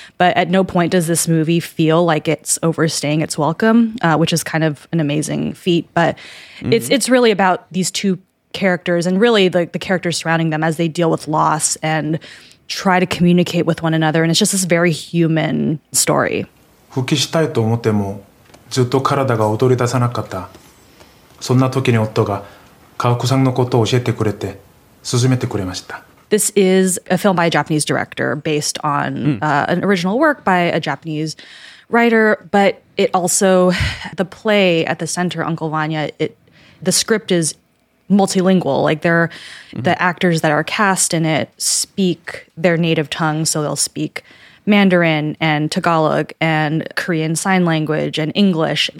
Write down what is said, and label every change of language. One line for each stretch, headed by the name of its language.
English: But at no point does this movie feel like it's overstaying its welcome, which is kind of an amazing feat. But it's really about these two characters and really the characters surrounding them as they deal with loss and try to communicate with one another. And it's just this very human story.
Japanese: ずっと体が踊り出さなかった。そんな時に夫が川子さんのことを教えてくれて勧めてくれました。
English: This is a film by a Japanese director based on an original work by a Japanese writer, but it also, the play at the center, Uncle Vanya, the script is multilingual. Like there, the actors that are cast in it speak their native tongue, so they'll speak Mandarin and Tagalog and Korean sign language and English.